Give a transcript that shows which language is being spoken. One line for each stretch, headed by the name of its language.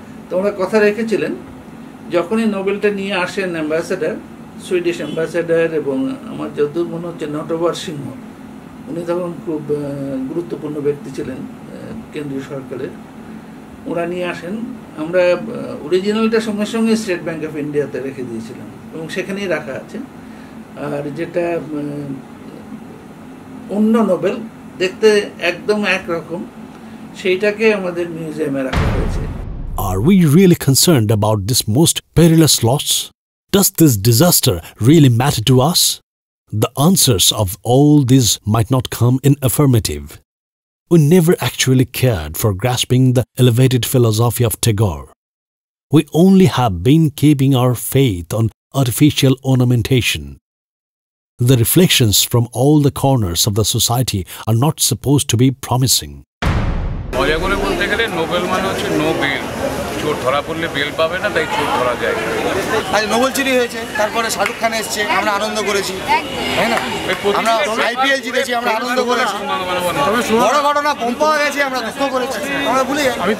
Bangla: তোমরা কথা রেখেছিলেন যখনই নোবেলটা নিয়ে আসেন অ্যাম্বাসেডার, সুইডিশ অ্যাম্বাসেডার এবং আমার যদ্দূর মনে হচ্ছে নটবর সিংহ, উনি তখন খুব গুরুত্বপূর্ণ ব্যক্তি ছিলেন কেন্দ্রীয় সরকারের, ওরা নিয়ে আসেন, আমরা অরিজিনালটা সঙ্গে সঙ্গে স্টেট ব্যাঙ্ক অফ ইন্ডিয়াতে রেখে দিয়েছিলাম এবং সেখানেই রাখা আছে, আর যেটা অন্য নোবেল দেখতে একদম একরকম সেইটাকে আমাদের মিউজিয়ামে রাখা হয়েছে।
English: Are we really concerned about this most perilous loss? Does this disaster really matter to us? The answers of all these might not come in affirmative. We never actually cared for grasping the elevated philosophy of Tagore. We only have been keeping our faith on artificial ornamentation. The reflections from all the corners of the society are not supposed to be promising.
Bangla: চোর ধরা পড়লে bell পাবে না, তাই চোর ধরা যায়। আজ নোবেল চুরি হয়েছে, তারপরে শাহরুখ খান এসেছে, আমরা আনন্দ করেছি, আমরা আইপিএল জিতেছি, আমরা আনন্দ করেছি, বড় ঘটনা কম পাওয়া গেছে, আমরা দুঃখ করেছি, আমরা ভুলে যাই।